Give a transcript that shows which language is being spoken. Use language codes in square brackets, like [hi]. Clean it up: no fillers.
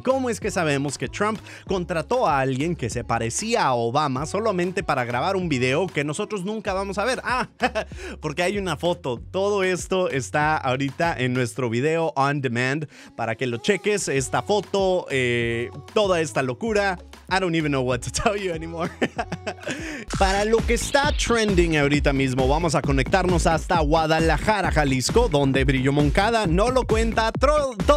[es] ¿Cómo es que sabemos que Trump contrató a alguien que se parecía a Obama solamente para grabar un video que nosotros nunca vamos a ver? Ah, porque hay una foto. Todo esto está ahorita en nuestro video on demand para que lo cheques. Esta foto, toda esta locura. [en] I don't even know what to tell you anymore. [es] Para lo que está trending ahorita mismo, vamos a conectarnos hasta Guadalajara, Jalisco, donde Brillo Moncada no lo cuenta todo.